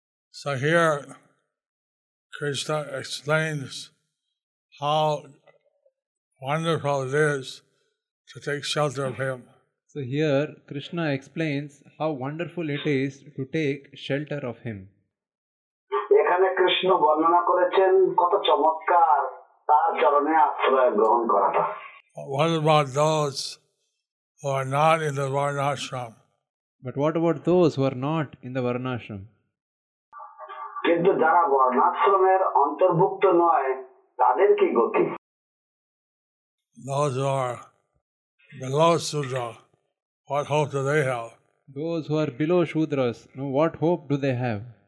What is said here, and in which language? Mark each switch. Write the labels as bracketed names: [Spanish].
[English] So here Krishna explains how wonderful it is to take shelter of Him. So here Krishna explains how wonderful it is to take shelter of Him. [Bangla] এখানে কৃষ্ণ বর্ণনা করেছেন কত চমৎকার তার চরণে আশ্রয় গ্রহণ করাটা। [English] What about those who are not in the Varnashram? But what about those who are not in the Varnashram? [Bangla] কিন্তু যারা বর্ণাশ্রমের অন্তর্ভুক্ত নয় তাদের কি গতি? [English] Those who are below Shudra, what hope do they have? Those who are below Shudras, no, what hope do they have?